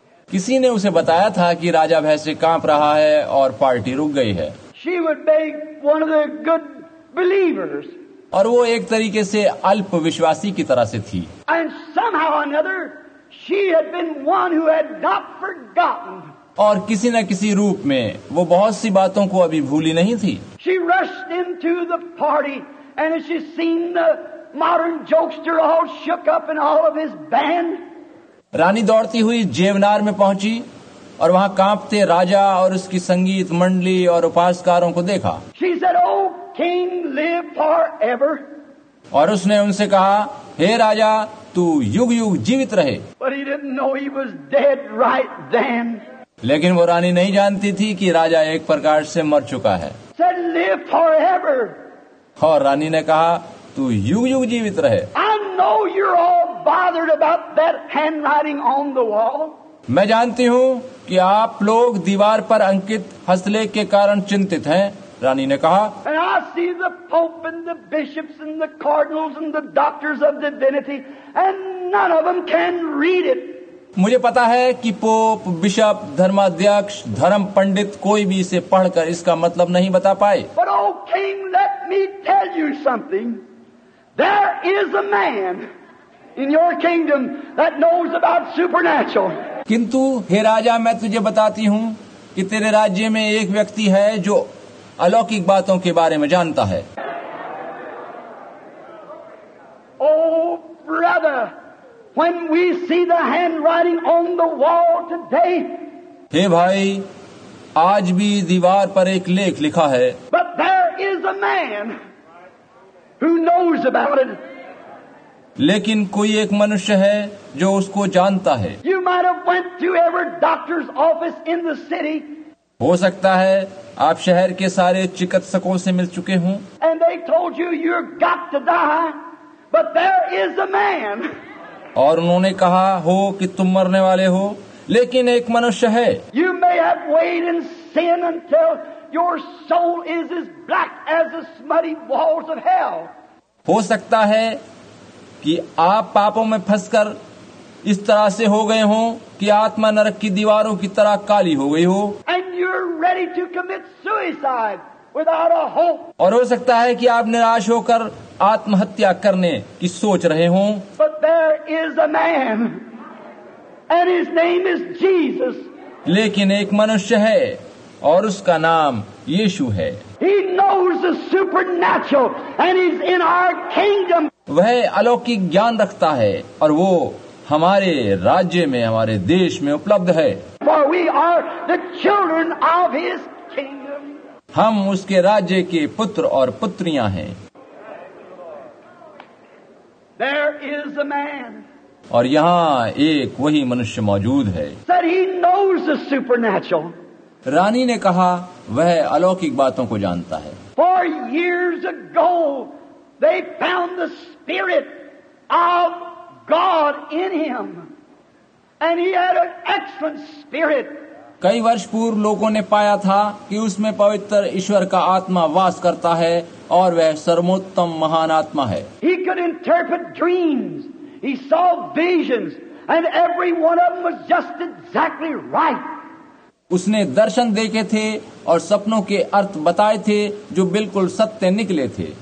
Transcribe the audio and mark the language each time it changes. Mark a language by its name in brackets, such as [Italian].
[Hindi] किसी ने उसे बताया था कि राजा भय से कांप रहा है और पार्टी रुक गई है. [English] She would be one of the good believers. [Hindi] और वो एक तरीके से अल्प विश्वासी की तरह से थी. [English] And somehow or another, she had been one who had not forgotten. [Hindi] और किसी न किसी रूप में वो बहुत सी बातों को अभी भूली नहीं थी. [English] She rushed into the party and she seen the modern jokester all shook up and all of his band. [Hindi] रानी दौड़ती हुई जेवनार में पहुंची और वहां कांपते राजा और उसकी संगीत मंडली और उपासकारों को देखा. [English] She said, "Oh, king, live forever." [Hindi] और उसने उनसे कहा, हे राजा, तू युग युग जीवित रहे. [English] But he didn't know he was dead right then. [Hindi] लेकिन वो रानी नहीं जानती थी कि राजा एक प्रकार से मर चुका है. [English] Said, "Live forever." [Hindi] और रानी ने कहा, तू युग युग जीवित रहे. [English] I know you're all bothered about that handwriting on the wall. [Hindi] मैं जानती हूँ कि आप लोग दीवार पर अंकित हस्तलेख के कारण चिंतित हैं, रानी ने कहा. [English] And I see the Pope and the bishops and the cardinals and the doctors of divinity, and none of them can read it. [Hindi] मुझे पता है कि पोप, बिशप, धर्माध्यक्ष, धर्म पंडित कोई भी इसे पढ़कर इसका मतलब नहीं बता पाए. [English] But oh king, let me tell you something. There is a man in your kingdom that knows about supernatural. [Hindi] किंतु हे राजा, मैं तुझे बताती हूँ कि तेरे राज्य में एक व्यक्ति है जो अलौकिक बातों के बारे में जानता है. [English] Oh brother, when we see the handwriting on the wall today. [Hindi] हे भाई, आज भी दीवार पर एक लेख लिखा है. [English] But there is a man who knows about it. [Hindi] लेकिन कोई एक मनुष्य है जो उसको जानता है. [English] You might have went to every doctor's office in the city. [Hindi] हो सकता है आप शहर के सारे चिकित्सकों से मिल चुके हों. [English] And they told you you've got to die, but there is a man. [Hindi] और उन्होंने कहा हो कि तुम मरने वाले हो, लेकिन एक मनुष्य है. [English] You may have waited in sin until your soul is as black as the smutty walls of hell. [Hindi] हो सकता है कि आप पापों में फंसकर इस तरह से हो गए हो कि आत्मा नरक की दीवारों की तरह काली हो गई हो. [English] And you're ready to commit suicide without a hope. [Hindi] और हो सकता है कि आप निराश होकर आत्महत्या करने की सोच रहे हो. [English] But there is a man and his name is Jesus. [Hindi] लेकिन एक मनुष्य है और उसका नाम यीशु है। [English] He knows the supernatural and he's in our kingdom. [Hindi] वह अलौकिक ज्ञान रखता है और वो हमारे राज्य में, हमारे देश में उपलब्ध है। [English] For we are the children of his kingdom. [Hindi] हम उसके राज्य के पुत्र और पुत्रियां हैं। [English] There is a man. [Hindi] और यहाँ एक वही मनुष्य मौजूद है। [English] Sir, he knows the supernatural. [Hindi] रानी ने कहा वह अलौकिक बातों को जानता है। [English] Four years ago, they found the spirit of God in him, and he had an excellent spirit. [Hindi] कई वर्ष पूर्व लोगों ने पाया था कि उसमें पवित्र ईश्वर का आत्मा वास करता है और वह सर्वोत्तम महान आत्मा है। [English] He could interpret dreams. He saw visions, and every one of them was just exactly right. [Hindi] उसने दर्शन देखे थे और सपनों के अर्थ बताए थे जो बिल्कुल सत्य निकले थे।